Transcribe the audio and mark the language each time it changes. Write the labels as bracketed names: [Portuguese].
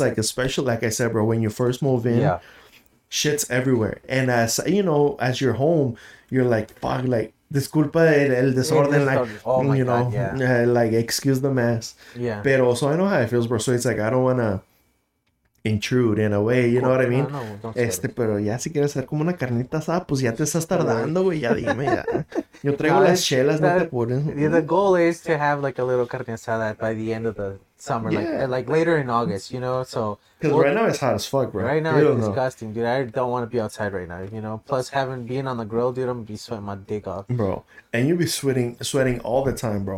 [English] Like, especially, like I said, bro, when you first move in, shit's everywhere. And as, you know, as you're home, you're like, fuck, like, [Spanish] disculpa el desorden. [English] Like, you know, like, excuse the mess. Yeah. Pero so I know how it feels, bro. So it's like, I don't want to, intrude in a way, you know what I mean? [Spanish] No, no, pero ya si quieres hacer como una carnita asada, pues ya te estás tardando, güey, ya dime, ya. Yo traigo las chelas, no te apures. [English] The goal is to have like a little carne asada by the end of the summer, yeah. like later in August, you know, so. Because right now it's hot as fuck, bro. Right now it's disgusting, dude. I don't want to be outside right now, you know. Plus, having being on the grill, dude, I'm going to be sweating my dick off. Bro, and you'll be sweating all the time, bro.